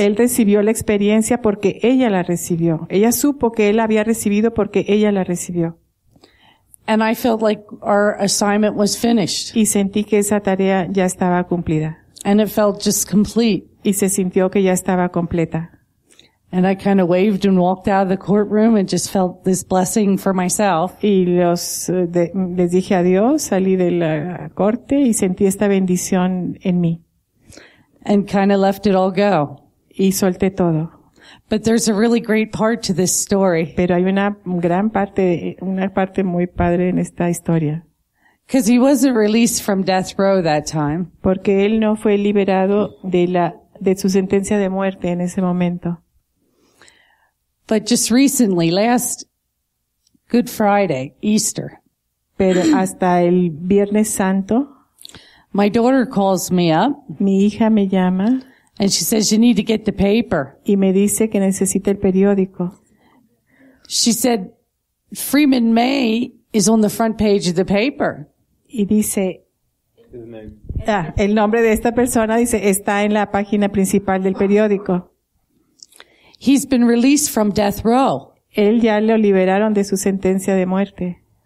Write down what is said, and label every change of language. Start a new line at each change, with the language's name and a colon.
Spanish: Él recibió la experiencia porque ella la recibió. Ella supo que él había recibido porque ella la recibió.
English: And I felt like our assignment was finished.
Spanish: Y sentí que esa tarea ya estaba cumplida.
English: And it felt just complete.
Spanish: Y se sintió que ya estaba completa.
English: And I kind of waved and walked out of the courtroom and just felt this blessing for myself.
Spanish: Y les dije adiós, salí de la corte y sentí esta bendición en mí.
English: And kind of left it all go.
Spanish: Y solté todo.
English: But there's a really great part to this story.
Spanish: Pero hay una gran parte, una parte muy padre en esta historia.
English: Because he wasn't released from death row that time.
Spanish: Porque él no fue liberado de su sentencia de muerte en ese momento.
English: But just recently, last Good Friday, Easter.
Spanish: Pero hasta el Viernes Santo.
English: My daughter calls me up.
Spanish: Mi hija me llama.
English: And she says, you need to get the paper.
Spanish: Y me dice que necesita el periódico.
English: She said, Freeman May is on the front page of the paper.
Spanish: Y dice, el nombre de esta persona dice, está en la página principal del periódico.
English: He's been released from death row.
Spanish: Él ya lo liberaron de su sentencia de muerte.